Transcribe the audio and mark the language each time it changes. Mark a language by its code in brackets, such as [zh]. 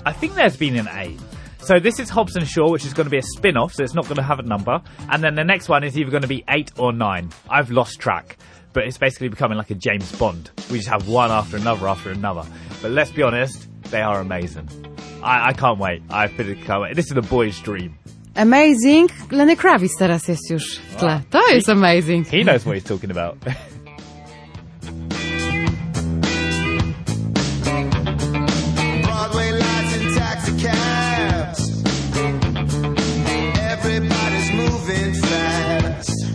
[en] I think there's been an 8. So this is Hobbs and Shaw, which is going to be a spin-off, so it's not going to have a number. And then the next one is either going to be 8 or 9. I've lost track. But it's basically becoming like a James Bond. We just have one after another after another. But let's be honest, they are amazing. I can't wait. I can't wait. This is the boy's dream. Amazing. [pl] Lenny Kravitz teraz jest już w tle. To jest [en] amazing. He knows what he's talking about. Broadway lights and taxi cabs. Everybody's moving fast.